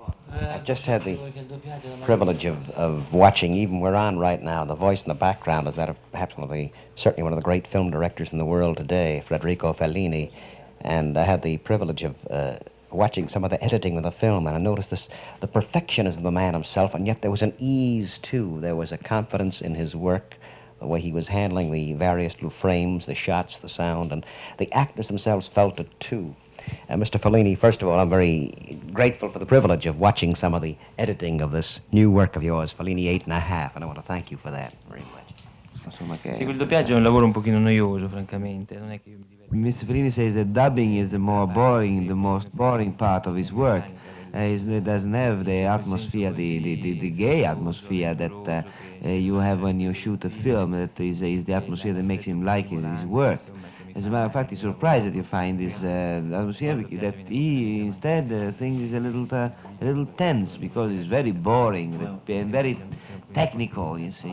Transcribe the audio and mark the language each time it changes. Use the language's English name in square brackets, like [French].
[English] I've just had the privilege of watching, even we're on right now, the voice in the background is that of perhaps one of the great film directors in the world today, Federico Fellini, and I had the privilege of watching some of the editing of the film, and I noticed this, the perfectionism of the man himself, and yet there was an ease too, there was a confidence in his work, the way he was handling the various little frames, the shots, the sound, and the actors themselves felt it too. Mr. Fellini, first of all, I'm very grateful for the privilege of watching some of the editing of this new work of yours, Fellini 8½, and I want to thank you for that very much. [Italian] Sì, quel doppiaggio è un lavoro un pochino noioso, francamente. Non è che io mi diverto. [English] Mr. Fellini says that dubbing is the more boring, the most boring part of his work. It doesn't have the atmosphere, the gay atmosphere that you have when you shoot a film. That is the atmosphere that makes him like his work. As a matter of fact, he's surprised that you find this atmosphere, that he instead thinks it's a little tense, because it's very boring and very technical, you see.